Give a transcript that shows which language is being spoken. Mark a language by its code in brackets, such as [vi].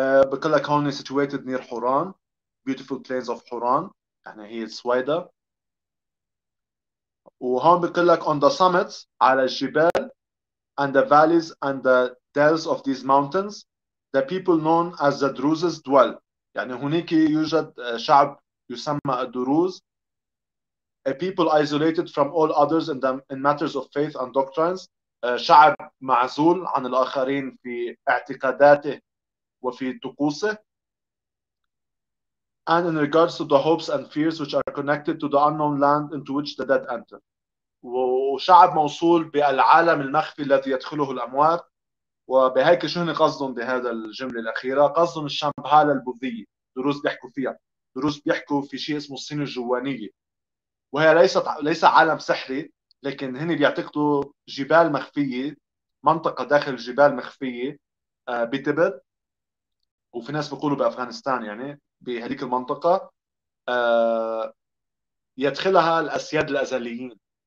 [ar] بيقول لك هون [en] situated near [ar] حوران [en] beautiful plains of [ar] حوران، يعني هي سويدا. وهون بيقول لك [en] on the summits [ar] على الجبال [en] and the valleys and the dells of these mountains the people known as the Druzes dwell، [ar] يعني هناك يوجد شعب يسمى الدروز. [en] A people isolated from all others in, in matters of faith and doctrines، [ar] شعب معزول عن الآخرين في اعتقاداته وفي طقوسه. [en] And in regards to the hopes and fears which are connected to the unknown land into which the dead enter، [ar] وشعب موصول بالعالم المخفي الذي يدخله الأموات. وبهيك شو هن قصدهم بهذا الجملة الأخيرة؟ قصدهم الشامبهالا البوذية، دروس بيحكوا فيها، دروس بيحكوا في شيء اسمه الصين الجوانية، وهي ليس عالم سحري، لكن هن بيعتقدوا جبال مخفية، منطقة داخل الجبال مخفية بتبت، وفي ناس بيقولوا بأفغانستان يعني بهذيك المنطقة يدخلها الأسياد الأزليين.